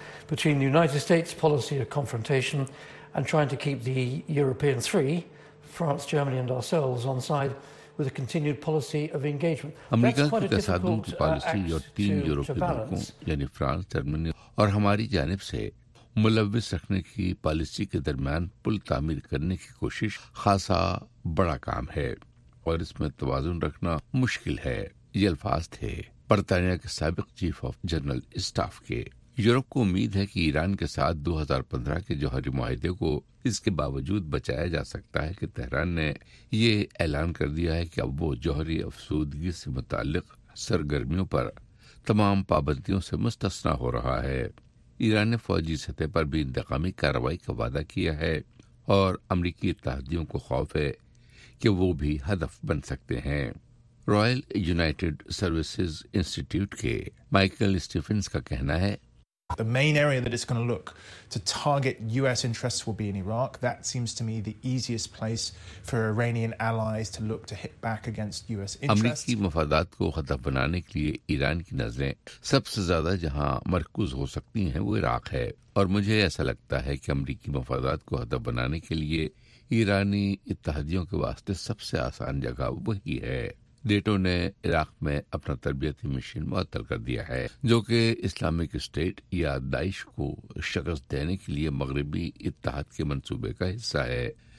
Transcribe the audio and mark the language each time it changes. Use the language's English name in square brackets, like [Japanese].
[English] between the United States policy of confrontation and trying to keep the Europeans free, France, Germany and ourselves on side with a continued policy of engagement. [Urdu] امریکہ کی تصادم کی policy اور تین یورپی ملکوں یعنی France, Germany اور ہماری جانب سے ملوث رکھنے کی پالیسی کے درمیان پل تعمیر کرنے کی کوشش خاصا بڑا کام ہے اور اس میں توازن رکھنا مشکل ہے. یہ الفاظ تھے برطانیہ کے سابق چیف آف جنرل اسٹاف کے. یورپ کو امید ہے کہ ایران کے ساتھ 2015 کے جوہری معاہدے کو اس کے باوجود بچایا جا سکتا ہے کہ تہران نے یہ اعلان کر دیا ہے کہ اب وہ جوہری افسودگی سے متعلق سرگرمیوں پر تمام پابندیوں سے مستثنا ہو رہا ہے. ایران نے فوجی سطح پر بھی انتقامی کارروائی کا وعدہ کیا ہے اور امریکی اتحادیوں کو خوف ہے کہ وہ بھی ہدف بن سکتے ہیں. رائل یونائیٹڈ سروسز انسٹیٹیوٹ کے مائیکل اسٹیفنز کا کہنا ہے، [English] The main area that it's going to look to target U.S. interests will be in Iraq. That seems to me the easiest place for Iranian allies to look to hit back against U.S. interests. [Urdu] امریکی مفادات کو ہدف بنانے کے لیے ایران کی نظریں سب سے زیادہ جہاں مرکوز ہو سکتی ہیں وہ عراق ہے، اور مجھے ایسا لگتا ہے کہ امریکی مفادات کو ہدف بنانے کے لیے ایرانی اتحادیوں کے واسطے سب سے آسان جگہ وہی ہے. ڈیٹو نے عراق میں اپنا تربیتی مشن معطل کر دیا ہے جو کہ اسلامک اسٹیٹ یا داعش کو شکست دینے کے لیے مغربی اتحاد کے منصوبے کا حصہ ہے.